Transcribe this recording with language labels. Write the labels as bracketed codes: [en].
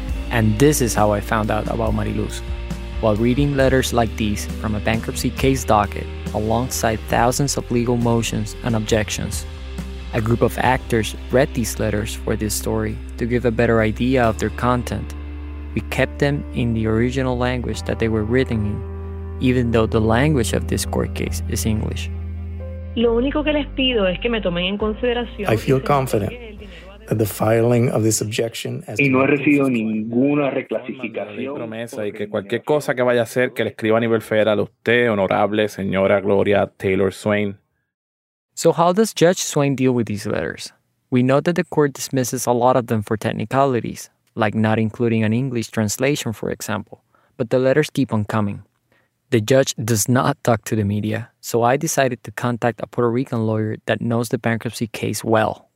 [en] And this is how I found out about Mariluz. While reading letters like these from a bankruptcy case docket alongside thousands of legal motions and objections, a group of actors read these letters for this story to give a better idea of their content. We kept them in the original language that they were written in, even though the language of this court case is English. I feel confident that the filing of this objection has been. [es] Y no he recibido ninguna reclasificación. Promesa y que cualquier cosa que vaya a hacer, que le escriba a nivel federal a usted, honorable señora Gloria Taylor Swain. [en] So how does Judge Swain deal with these letters? We know that the court dismisses a lot of them for technicalities, like not including an English translation, for example, but the letters keep on coming. The judge does not talk to the media, so I decided to contact a Puerto Rican lawyer that knows the bankruptcy case well.